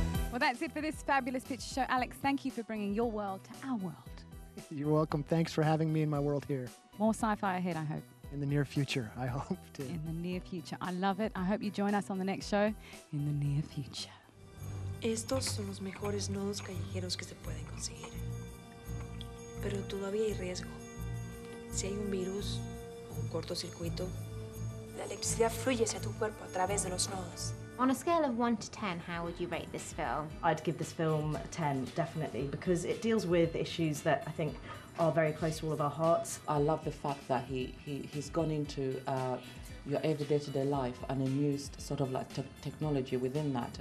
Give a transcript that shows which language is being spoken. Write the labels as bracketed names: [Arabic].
[English] Well, that's it for this fabulous picture show. Alex, thank you for bringing your world to our world. You're welcome. Thanks for having me in my world here. More sci-fi ahead, I hope. In the near future, I hope to. In the near future. I love it. I hope you join us on the next show in the near future. [Spanish] Estos son los mejores nodos callejeros que se pueden conseguir. Pero todavía hay riesgo. Si hay un virus o un cortocircuito, la electricidad fluye hacia tu cuerpo a través de los nodos. [English] On a scale of 1 to 10, how would you rate this film? I'd give this film a 10, definitely, because it deals with issues that I think are very close to all of our hearts. I love the fact that he's gone into your everyday-to-day life and used sort of like technology within that.